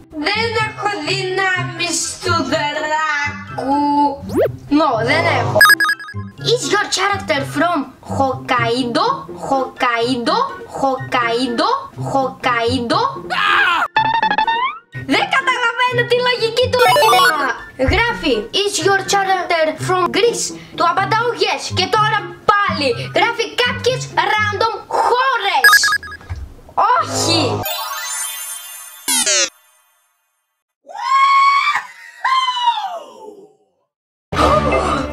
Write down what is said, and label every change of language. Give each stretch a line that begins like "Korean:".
Greek: Δεν έχω δυνάμεις του δράκου!
English: No,
Greek: δεν έχω!
English: Is your character from Hokkaido? Hokkaido? Hokkaido? Hokkaido?
Greek: Δεν καταλαβαίνω τη λογική του εγκλήματα! Γράφει,
English: is your character from Greece?
Greek: Του απαντάω yes και τώρα πάλι γράφει κάποιες random χώρες.